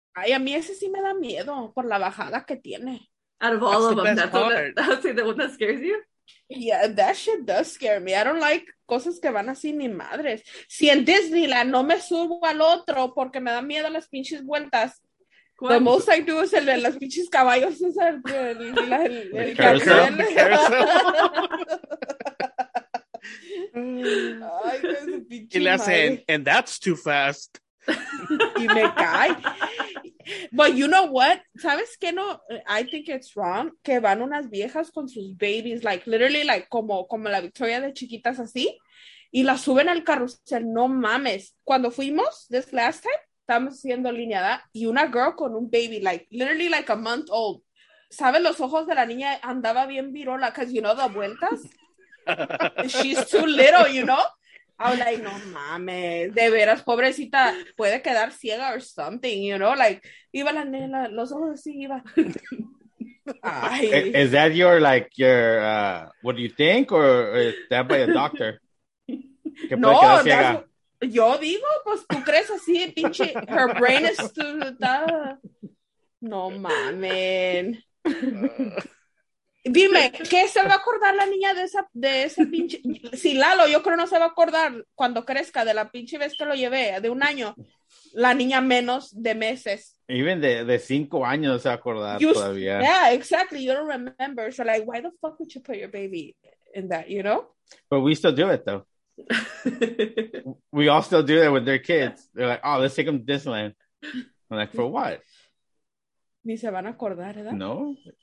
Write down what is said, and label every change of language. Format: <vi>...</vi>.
<es>Ay, a mí ese sí me da miedo por la bajada que tiene.</es> <en>Out of all of them, that's the one that scares you? Yeah, that shit does scare me. I don't like</en> <es>cosas que van así ni madres. Si en Disneyland no me subo al otro porque me da miedo las pinches vueltas. ¿Cuál?</es> <en>The most I do is</en> <es>el de las pinches caballos. Es el carrusel. Ay, y le hacen,</es> <en>and that's too fast.</en> <es>Y me cae.</es> <en>But you know what?</en> <es>¿Sabes qué?</es> <en>No, I think it's wrong.</en> <es>Que van unas viejas con sus babies,</es> <en>like literally,</en> <es>like como la Victoria de chiquitas así, y la suben al carrusel. No mames. Cuando fuimos,</es> <en>this last time,</en> <es>estamos siendo alineada, y una girl con un baby,</es> <en>like literally, like a month old.</en> <es>¿Sabes? Los ojos de la niña andaba bien virola,</es> <en>because you know,</en> <es>da vueltas.</es> <en>She's too little, you know? I was like,</en> <es>no mames, de veras, pobrecita, puede quedar ciega</es> <en>or something, you know?</en> <es>Like, iba la nena, los ojos así, iba. Ay.</es> <en>Is that your, like, your, what do you think, or is that by a doctor?</en> <es>¿Que no, puede quedar ciega? Yo digo, pues, ¿tú crees así, pinche?</es> <en>Her brain is too,</en> <es>no mames. Dime, ¿qué se va a acordar la niña de esa pinche? Si Lalo, yo creo no se va a acordar cuando crezca de la pinche vez que lo llevé, de un año. La niña menos de meses. Even de 5 años se va a acordar todavía.</es> <en>Yeah, exactly. You don't remember. So like, why the fuck would you put your baby in that, you know? But we still do it, though. We all still do that with their kids. They're like, oh, let's take them to Disneyland. I'm like, for what?</en> <es>Ni se van a acordar, ¿verdad? No.</es>